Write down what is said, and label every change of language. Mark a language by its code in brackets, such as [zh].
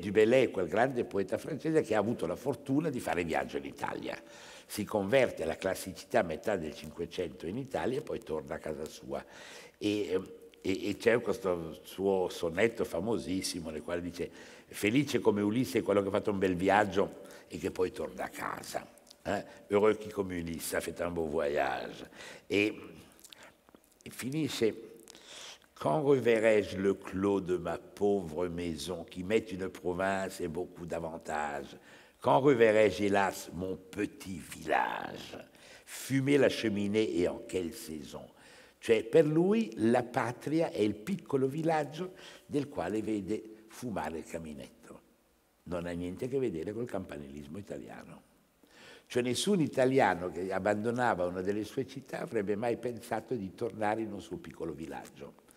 [it] Du Bellay è quel grande poeta francese che ha avuto la fortuna di fare viaggio in Italia. Si converte alla classicità a metà del Cinquecento in Italia e poi torna a casa sua. E c'è questo suo sonetto famosissimo nel quale dice: felice come Ulisse quello che ha fatto un bel viaggio e che poi torna a casa. [fr] Heureux qui comme Ulisse a fait un beau voyage. [it] E finisce: [fr] quand reverrai-je le clos de ma pauvre maison qui m'est une province et beaucoup d'avantages? Quand reverrai-je hélas mon petit village fumer la cheminée et en quelle saison? [it] Cioè, per lui la patria è il piccolo villaggio del quale vede fumare il caminetto. Non ha niente a che vedere col campanilismo italiano. Cioè nessun italiano che abbandonava una delle sue città avrebbe mai pensato di tornare in un suo piccolo villaggio.